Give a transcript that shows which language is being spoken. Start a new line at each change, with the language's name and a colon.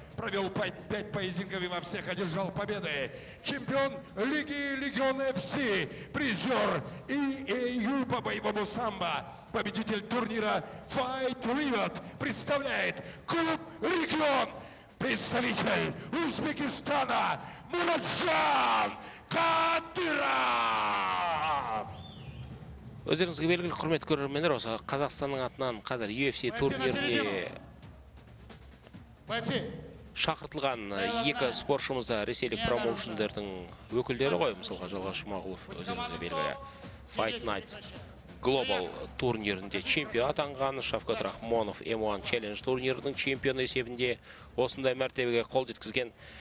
Russian: Провел 5 поединков и во всех одержал победы. Чемпион Лиги Легион ФС. Призер ИЭЮ по боевому самбо. Победитель турнира Fight Riot представляет клуб Легион. Представитель Узбекистана Мураджан Кадыров.
Kazakh: Өздеріңізге белгілі құрмет көрермендер, осы Қазақстанның атынан қазір UFC турнирге шақыртылған екі спортшымызда ресейлік промоушендердің өкілдері ғой, мысалға Жалғас Жұмағұлов өздеріңізге белгілі Fight Nights Global турнирінде чемпион атанған, Шавкат Рахмонов M1 Challenge турнирінің чемпионы есебінде осындай мәртебеге қол жеткізген.